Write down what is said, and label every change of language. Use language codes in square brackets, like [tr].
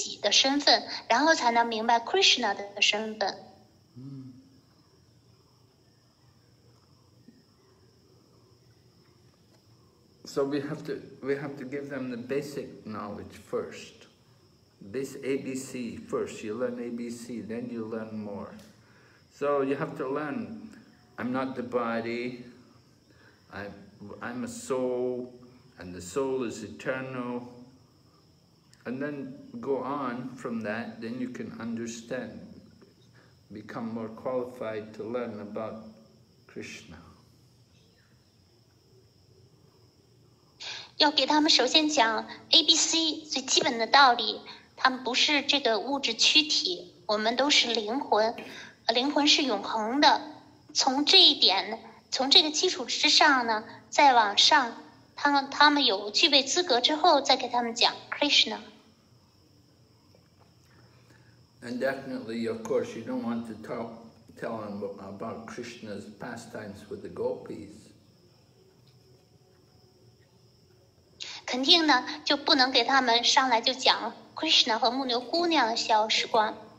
[zh] 你可以讲，就是他们不是他们的躯体这个相关的故事，帮助他们理解，他们并非他们的物质躯体，在他们首先明白他们自己的身份，然后才能明白 Krishna 的身份。 [en] So we have to give them the basic knowledge first. This ABC first, you learn ABC, then you learn more. So you have to learn, I'm not the body, I'm a soul, and the soul is eternal. And then go on from that, then you can understand, become more qualified to learn about Krishna. [zh] 要给他们首先讲 ABC 最基本的道理, 他们不是这个物质躯体，我们都是灵魂，灵魂是永恒的。从这一点，从这个基础之上呢，再往上，他们有具备资格之后，再给他们讲 Krishna. [en] And definitely, of course, you don't want to tell them about Krishna's pastimes with the gopis. [zh] 肯定呢，就不能给他们上来就讲 Krishna 和牧牛姑娘的小时光。